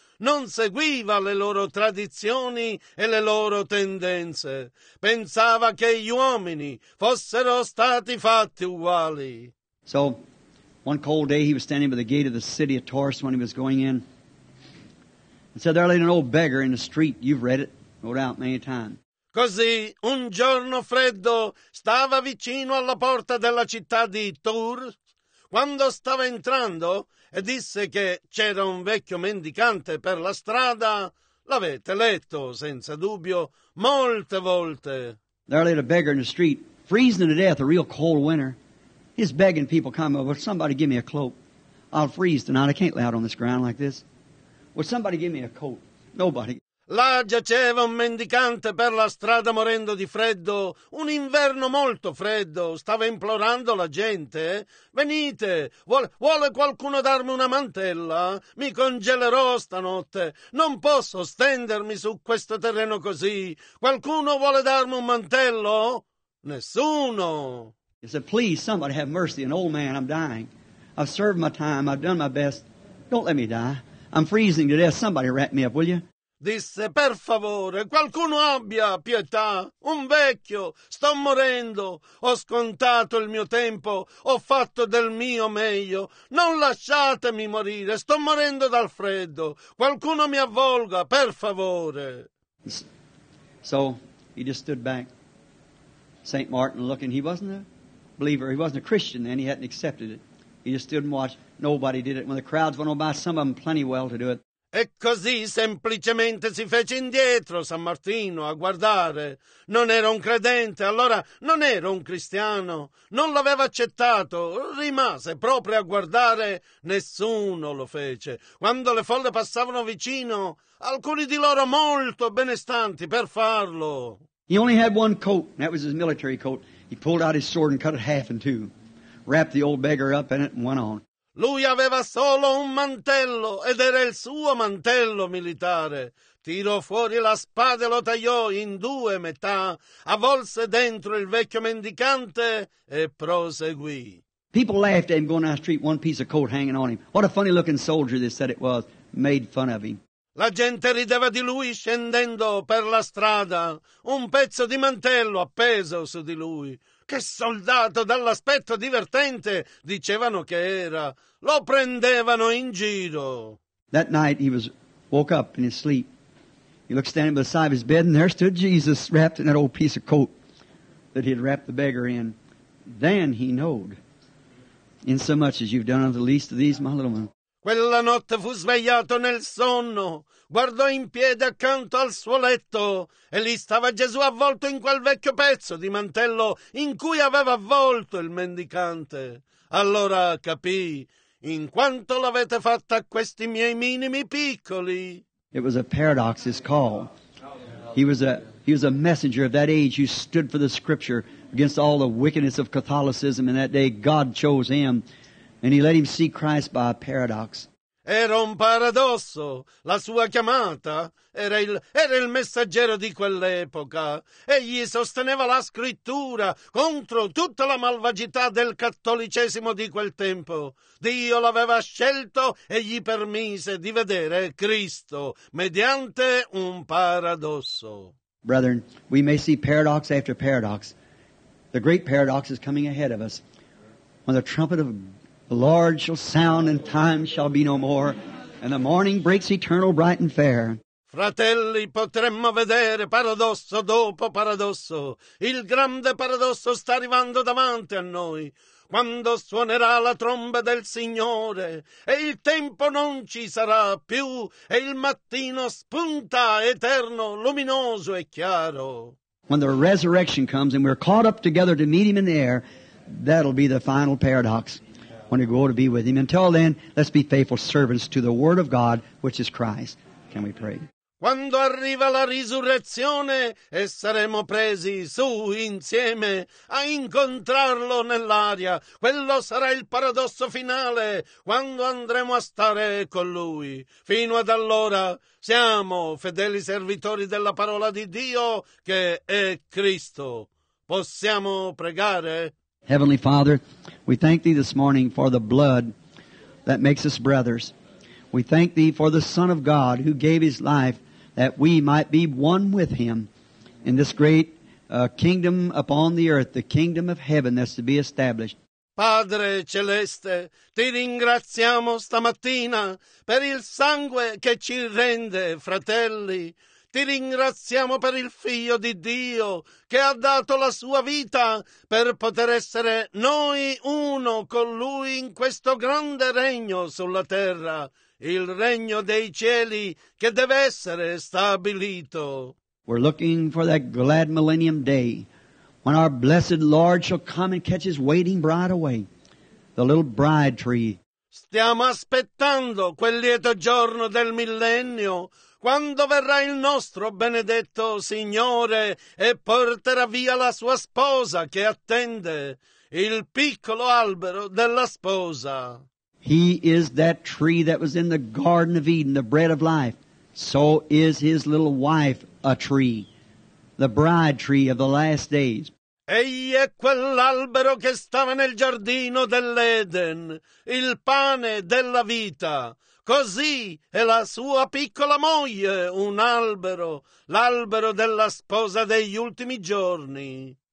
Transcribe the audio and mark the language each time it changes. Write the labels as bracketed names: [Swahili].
[Italian] Non seguiva le loro tradizioni e le loro tendenze. Pensava che gli uomini fossero stati fatti uguali. [English] So, one cold day he was standing by the gate of the city of Tarsus when he was going in. And said, there lay an old beggar in the street. You've read it, no doubt, many times. [Italian] Così, un giorno freddo, stava vicino alla porta della città di Tours. Quando stava entrando, e disse che c'era un vecchio mendicante per la strada, l'avete letto, senza dubbio, molte volte. [English] There lay a beggar in the street, freezing to death, a real cold winter. He's begging people, come over, somebody give me a cloak. I'll freeze tonight, I can't lay out on this ground like this. Will somebody give me a coat? Nobody. [Italian] Là giaceva un mendicante per la strada morendo di freddo, un inverno molto freddo, stava implorando la gente, venite, vuole qualcuno darmi una mantella? Mi congelerò stanotte, non posso stendermi su questo terreno così, qualcuno vuole darmi un mantello? Nessuno. [English] He said, please, somebody have mercy, an old man, I'm dying. I've served my time, I've done my best, don't let me die. I'm freezing to death, somebody wrap me up, will you? [Italian] Disse, per favore, qualcuno abbia pietà, un vecchio, sto morendo, ho scontato il mio tempo, ho fatto del mio meglio, non lasciatemi morire, sto morendo dal freddo, qualcuno mi avvolga, per favore. [English] So, he just stood back, Saint Martin looking, he wasn't a believer, he wasn't a Christian then, he hadn't accepted it, You just stood and watched. Nobody did it. When the crowds went on by, some of them plenty well to do it. [Italian] E così semplicemente si fece indietro San Martino a guardare. Non era un credente, allora non era un cristiano. Non l'aveva accettato, rimase proprio a guardare. Nessuno lo fece. Quando le folle passavano vicino, alcuni di loro molto benestanti per farlo. [English] He only had one coat, and that was his military coat. He pulled out his sword and cut it half in two, wrapped the old beggar up in it and went on. [Italian] Lui aveva solo un mantello, ed era il suo mantello militare. Tirò fuori la spada e lo tagliò in due metà, avvolse dentro il vecchio mendicante e proseguì. [English] People laughed at him going down the street, one piece of coat hanging on him. What a funny looking soldier, they said it was, made fun of him. [Italian] La gente rideva di lui scendendo per la strada, un pezzo di mantello appeso su di lui. Che soldato dall'aspetto divertente, dicevano che era. Lo prendevano in giro. [English] That night he was woke up in his sleep. He looked standing beside his bed, and there stood Jesus wrapped in that old piece of coat that he had wrapped the beggar in. Then he knowed, in so much as you've done unto the least of these, my little ones. [Italian] Quella notte fu svegliato nel sonno, guardò in piedi accanto al suo letto e lì stava Gesù avvolto in quel vecchio pezzo di mantello in cui aveva avvolto il mendicante. Allora capì, in quanto l'avete fatta a questi miei minimi piccoli. [English] It was a paradox, his call. He was a messenger of that age who stood for the scripture against all the wickedness of Catholicism in that day. God chose him. And he let him see Christ by a paradox. [Italian] Era un paradosso. La sua chiamata era il messaggero di quell'epoca. Egli sosteneva la scrittura contro tutta la malvagità del cattolicesimo di quel tempo. Dio l'aveva scelto e gli permise di vedere Cristo mediante un paradosso. [English] Brethren, we may see paradox after paradox. The great paradox is coming ahead of us. When the trumpet of the Lord shall sound, and time shall be no more, and the morning breaks eternal, bright and fair. [Italian] Fratelli, potremmo vedere paradosso dopo paradosso. Il grande paradosso sta arrivando davanti a noi. Quando suonerà la tromba del Signore, e il tempo non ci sarà più, e il mattino spunta eterno, luminoso e chiaro. [English] When the resurrection comes, and we're caught up together to meet Him in the air, that'll be the final paradox. When you go to be with Him. Until then, let's be faithful servants to the Word of God, which is Christ. Can we pray? [Italian] Quando arriva la risurrezione e saremo presi su insieme a incontrarlo nell'aria, quello sarà il paradosso finale quando andremo a stare con Lui. Fino ad allora siamo fedeli servitori della parola di Dio che è Cristo. Possiamo pregare? [English] Heavenly Father, we thank Thee this morning for the blood that makes us brothers. We thank Thee for the Son of God who gave His life that we might be one with Him in this great kingdom upon the earth, the kingdom of heaven that's to be established. [Italian] Padre Celeste, Ti ringraziamo stamattina per il sangue che ci rende fratelli. Ti ringraziamo per il Figlio di Dio che ha dato la sua vita per poter essere noi uno con Lui in questo grande regno sulla terra, il regno dei cieli che deve essere stabilito. [English] We're looking for that glad millennium day when our blessed Lord shall come and catch His waiting bride away, the little bride tree. [Italian] Stiamo aspettando quel lieto giorno del millennio quando verrà il nostro benedetto Signore e porterà via la sua sposa che attende, il piccolo albero della sposa. [English] He is that tree that was in the Garden of Eden, the bread of life. So is His little wife a tree, the bride tree of the last days. [Italian] Egli è quell'albero che stava nel giardino dell'Eden, il pane della vita. Così è la sua piccola moglie, un albero, l'albero della sposa degli ultimi giorni.